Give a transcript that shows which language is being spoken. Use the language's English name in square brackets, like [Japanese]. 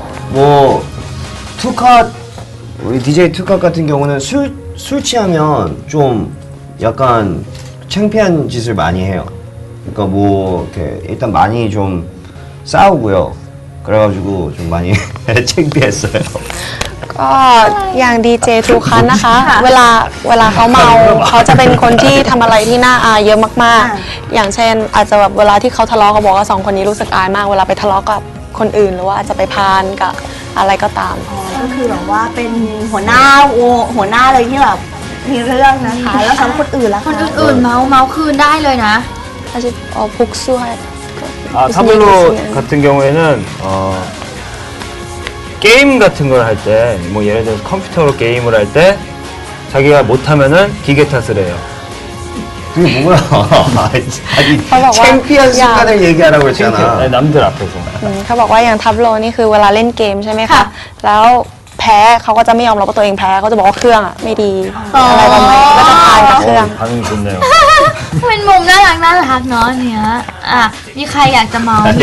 [Korean] 뭐 투컷 우리 DJ 투컷 같은 경우는 술 취하면 좀 약간 창피한 짓을 많이 해요. 그러니까 뭐 이렇게 일단 많이 좀 싸우고요. 그래가지고 좀 많이 창피했어요. [Thai] ก็อย่างดีเจทุกครั้งนะคะเวลาเขาเมาเขาจะเป็นคนที่ทำอะไรที่น่าอายเยอะมากๆอย่างเช่นอาจจะแบบเวลาที่เขาทะเลาะเขาบอกว่าสองคนนี้รู้สึกอายมากเวลาไปทะเลาะกับคนอื่นหรือว่าอาจจะไปพานกับอะไรก็ตาม ก็คือแบบว่าเป็นหัวหน้าเลยที่แบบมีเรื่องนะคะแล้วสำหรับคนอื่นล่ะ คนอื่นเมาคืนได้เลยนะ อาจจะพุกซ่วย [Korean] ทั้งหมดโล같은경우에는게임같은걸할때뭐예를들어서컴퓨터로게임을할때자기가못하면은기계탓을해요 그게뭐야 아니창피한순간을얘기하라고했잖아 아니남들앞에서 [Thai] เขาบอกว่าอย่างทับโลนี่คือเวลาเล่นเกมใช่ไหมคะแล้วแพ้เขาก็จะไม่ยอมรับว่าตัวเองแพ้เขาจะบอกว่าเครื่องอ่ะไม่ดีอะไรประมาณนี้ก็จะพานกับเครื่อง พานคุณเนี่ย เป็นมุมน่ารักน่ารักเนาะเนี่ยมีใครอยากจะเมาม